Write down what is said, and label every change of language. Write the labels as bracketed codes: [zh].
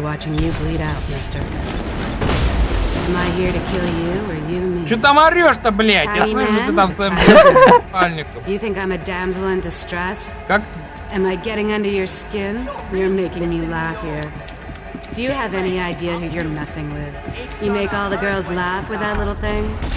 [en] watching you bleed out, mister. Am I here to kill you or you me? [ru] Что там орёшь-то, блядь? Я слышу, ты там своим спальником. [en] You think I'm a damsel in distress? [ru] Как? [en] Am I getting under your skin? You're making me laugh here. Do you have any idea who you're messing with? You make all the girls laugh with that little thing?